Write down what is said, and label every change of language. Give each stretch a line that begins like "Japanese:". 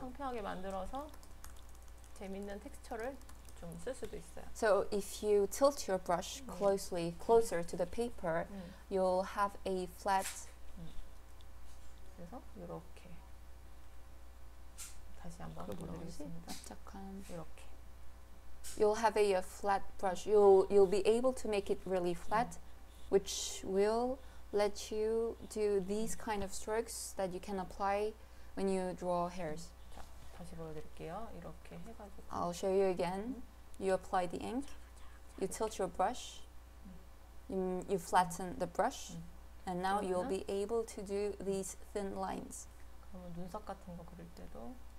Korean: 평평하게 만들어서 재밌는 텍스처를 좀 쓸 수도 있어요.
English: So if you tilt your brush closely, closer to the paper, you'll have a flat.
Korean: 그래서 이렇게 다시 한번 보여드리겠습니다. 잠깐 이렇게.
English: You'll have a flat brush. You'll be able to make it really flat, which will let you do these kind of strokes that you can apply when you draw hairs.
Korean: 자, 다시 보여드릴게요. 이렇게 해가지고.
English: I'll show you again. You apply the ink. You tilt your brush. You flatten the brush, and now you'll be able to do these thin lines.
Korean: 그러면 눈썹 같은 거 그릴 때도.